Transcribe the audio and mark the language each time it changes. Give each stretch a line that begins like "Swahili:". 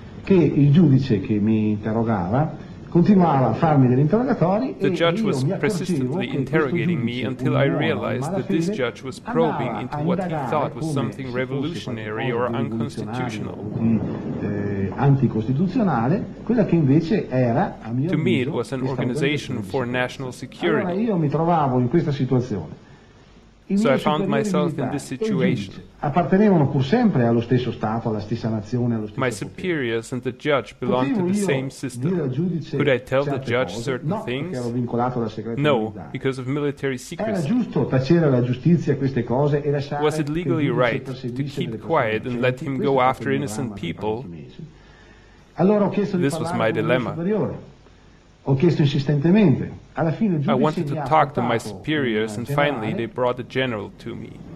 Italian: Che il giudice che mi interrogava continuava a farmi degli interrogatori.
English: The judge was persistently interrogating me until I realized that this judge was probing into what he thought was something revolutionary or unconstitutional.
Italian: Anticostituzionale, quella che invece era, a mio avviso,
English: to me it was an organization for national security.
Italian: Allora io mi trovavo in questa situazione.
English: So I found myself in this situation.
Italian: Appartenevano pur sempre allo stesso Stato, alla stessa nazione, allo stesso
English: my superiors and the judge belonged to the same system. Could I tell the judge certain things? No, because of military secrecy.
Italian: Era giusto tacere alla giustizia queste cose e lasciare.
English: Was it legally right to keep quiet and let him go after innocent people?
Italian: Allora ho chiesto
English: this was my dilemma.
Italian: Ho chiesto insistentemente. Alla fine,
English: I wanted to talk to my superiors and finally they brought the general to me.